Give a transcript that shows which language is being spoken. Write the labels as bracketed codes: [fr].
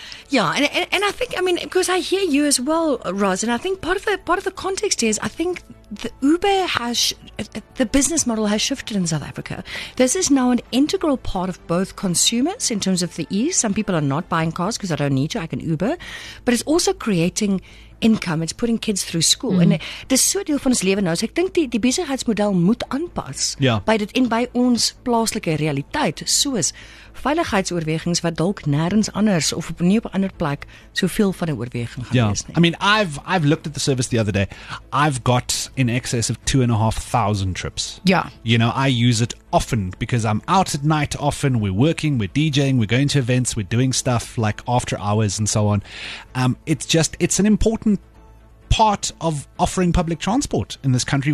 [en] Yeah, and I think, I mean, because I hear you as well, Roz, and I think part of the context is, I think the Uber has, the business model has shifted in South Africa. This is now an integral part of both consumers in terms of the ease. Some people are not buying cars because I don't need to, I can Uber. But it's also creating income, it's putting kids through school. Mm. And so [af] deel van ons lewe nou, so ek dink die besigheidsmodel moet aanpas by dit en by ons plaaslike realiteit, soos veiligheidsoorwegings wat dalk nêrens anders of op nie op 'n ander plek soveel van 'n oorweging gaan wees nie. [en] I mean, I've looked at the service the other day. I've got in excess of 2,500 trips. Yeah. You know, I use it often because I'm out at night often, we're working, we're DJing, we're going to events, we're doing stuff like after hours and so on. It's an important part of offering public transport in this country.